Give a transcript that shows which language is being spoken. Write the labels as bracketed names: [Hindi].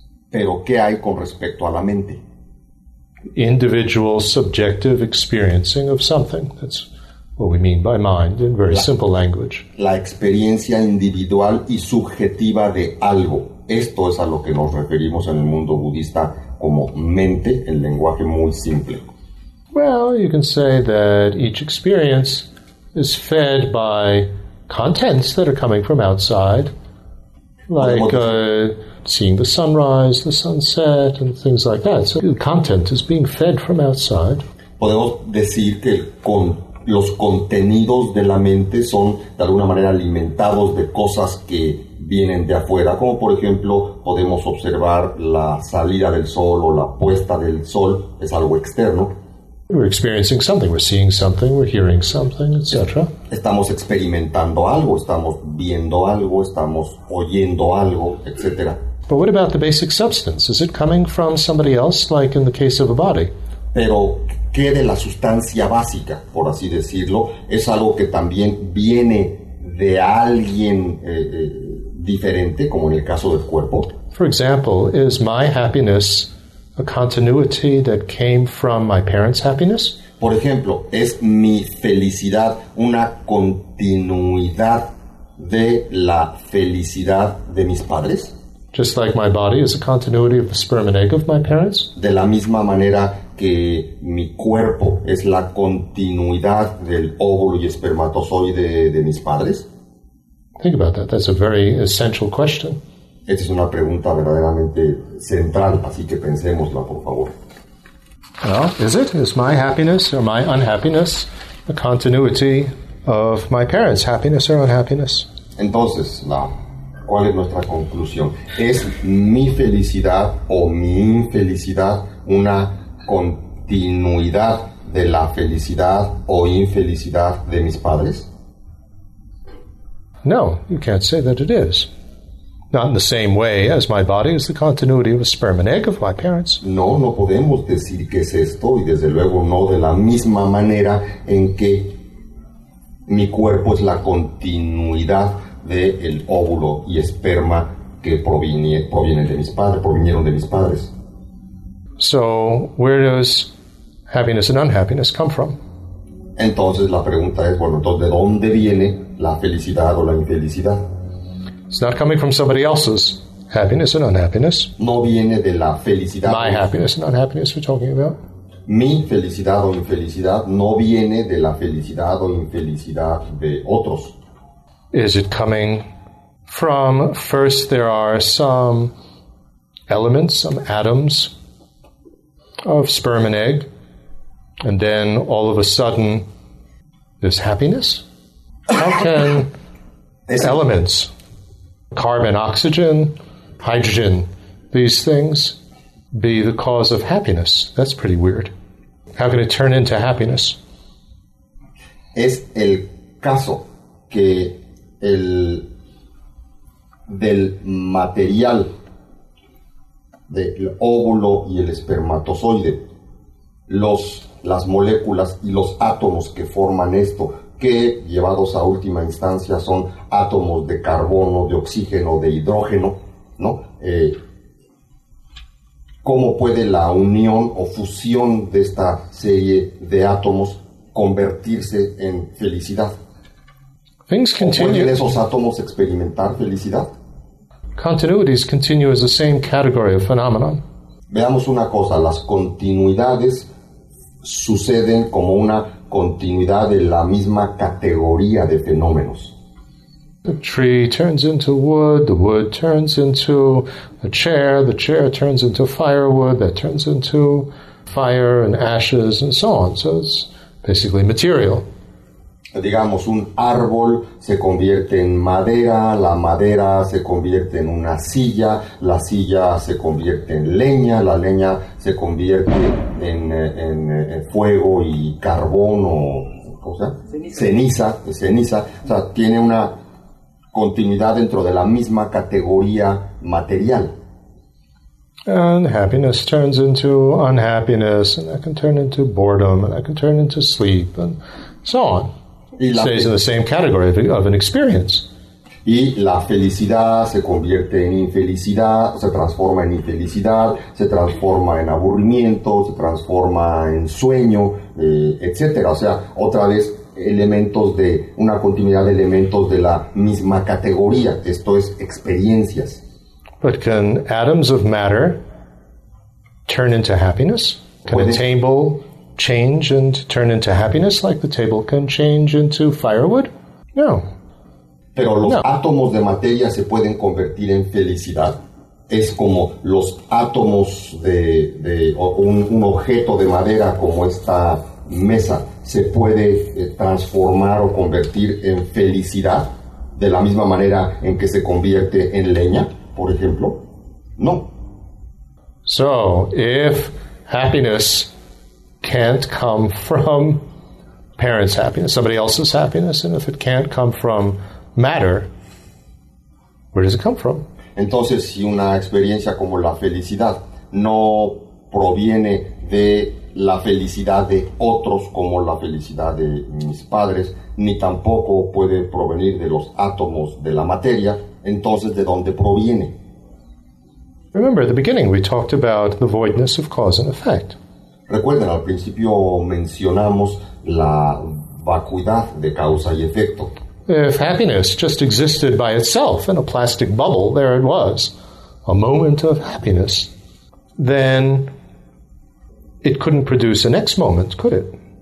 [Spanish] Pero ¿qué hay con respecto a la mente? [English] Individual subjective experiencing of something. That's what we mean by mind in very simple language. [Spanish] La experiencia individual y subjetiva de algo. Esto es a lo que nos referimos en el mundo budista como mente, en lenguaje muy simple. [English] Well, you can say that each experience is fed by contents that are coming from outside. Like seeing the sunrise, the sunset, and things like that. So the content is being fed from outside. [Spanish] Podemos decir que los contenidos de la mente son de alguna manera alimentados de cosas que vienen de afuera. Como por ejemplo, podemos observar la salida del sol o la puesta del sol. Es algo externo. [English] We're experiencing something, we're seeing something, we're hearing something, etc. [Spanish] Estamos experimentando algo, estamos viendo algo, estamos oyendo algo, etc. [English] But what about the basic substance? Is it coming from somebody else, like in the case of a body? [Spanish] Pero, ¿qué de la sustancia básica, por así decirlo, es algo que también viene de alguien diferente, como en el caso del cuerpo? [English] For example, is my happiness a continuity that came from my parents' happiness? [Spanish] Por ejemplo, ¿es mi felicidad una continuidad de la felicidad de mis padres? [English] Just like my body is a continuity of the sperm and egg of my parents? [Spanish] De la misma manera que mi cuerpo es la continuidad del óvulo y espermatozoide de mis padres? [English] Think about that. That's a very essential question. [Spanish] Esta es una pregunta verdaderamente central, así que pensemosla, por favor. [English] Well, is it? Is my happiness or my unhappiness a continuity of my parents' happiness or unhappiness? [Spanish] Entonces, la, ¿cuál es nuestra conclusión? ¿Es mi felicidad o mi infelicidad una continuidad de la felicidad o infelicidad de mis padres? [English] No, you can't say that it is. Not in the same way as my body is the continuity of a sperm and egg of my parents. [Spanish] No, no podemos decir que es esto, y desde luego no de la misma manera en que mi cuerpo es la continuidad del óvulo y esperma que provienen de mis padres, provinieron de mis padres. [English] So, where does happiness and unhappiness come from? [Spanish] Entonces la pregunta es, bueno, entonces, ¿de dónde viene la felicidad o la infelicidad? [English] It's not coming from somebody else's happiness and unhappiness. [Spanish] No viene de la felicidad. [English] My happiness and unhappiness we're talking about. [Spanish] Mi felicidad o infelicidad no viene de la felicidad o infelicidad de otros. [English] Is it coming from, first there are some elements, some atoms of sperm and egg, and then all of a sudden there's happiness? How can elements, carbon, oxygen, hydrogen, these things be the cause of happiness? That's pretty weird. How can it turn into happiness? [Spanish] Es el caso que del material del óvulo y el espermatozoide, las moléculas y los átomos que forman esto, que llevados a última instancia son átomos de carbono, de oxígeno, de hidrógeno, ¿no? ¿Cómo puede la unión o fusión de esta serie de átomos convertirse en felicidad? [English] Things continue. [Spanish] ¿Pueden esos átomos experimentar felicidad? [English] Continuities continue as the same category of phenomenon. [Spanish] Veamos una cosa, las continuidades suceden como una continuidad de la misma categoría de fenómenos. [English] The tree turns into wood, the wood turns into the chair turns into firewood, that turns into fire and ashes and so on. So it's basically material. [Spanish] Digamos, un árbol se convierte en madera, la madera se convierte en una silla, la silla se convierte en leña, la leña se convierte en fuego y carbón o cosa, ceniza. O sea, tiene una continuidad dentro de la misma categoría material. [English] And happiness turns into unhappiness, and that can turn into boredom, and that can turn into sleep, and so on. Stays in the same category of an experience. [Spanish] Y la felicidad se convierte en infelicidad, se transforma en infelicidad, se transforma en aburrimiento, se transforma en sueño, etc. O sea, otra vez, elementos de una continuidad de elementos de la misma categoría. Esto es experiencias. [English] But can atoms of matter turn into happiness? Can a table change and turn into happiness like the table can change into firewood? No. [Spanish] Pero los átomos de materia se pueden convertir en felicidad. Es como los átomos de un objeto de madera como esta mesa se puede transformar o convertir en felicidad de la misma manera en que se convierte en leña, por ejemplo. No. [English] So, if happiness can't come from parents' happiness, somebody else's happiness, and if it can't come from matter, where does it come from? [Spanish] Entonces, si una experiencia como la felicidad no proviene de la felicidad de otros como la felicidad de mis padres, ni tampoco puede provenir de los átomos de la materia, entonces, ¿de dónde proviene? [English] Remember, at the beginning, we talked about the voidness of cause and effect. [Spanish] Recuerden, al principio mencionamos la vacuidad de causa y efecto. [English] If happiness just existed by itself in a plastic bubble, there it was, a moment of happiness, then it couldn't produce a next moment, could it?